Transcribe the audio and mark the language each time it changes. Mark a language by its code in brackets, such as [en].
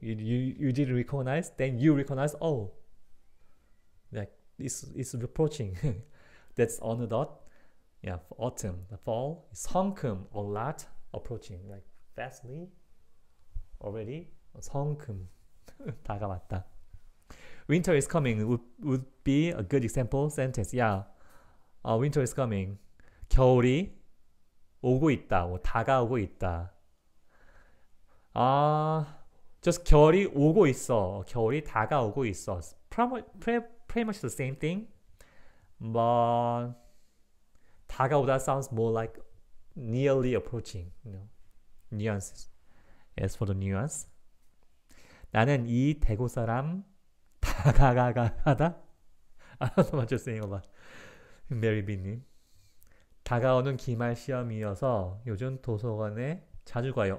[en] You didn't recognize, then you recognize. Oh, like it's approaching. That's 어느덧. Yeah, for autumn, the fall, is 성큼, a lot approaching, like fastly, already, 성큼, 다가왔다. Winter is coming would be a good example sentence. Yeah, winter is coming. [ko] 겨울이 오고 있다, 다가오고 있다. Just 겨울이 오고 있어, 겨울이 다가오고 있어. [en] Pretty much the same thing, but 다가오다 sounds more like nearly approaching, you know, nuances. [ko] As for the nuance, 나는 이 대구 사람 다가가가하다. [en] I don't know what you're saying about Mary B님. [ko] 다가오는 기말 시험이어서 요즘 도서관에 자주 가요.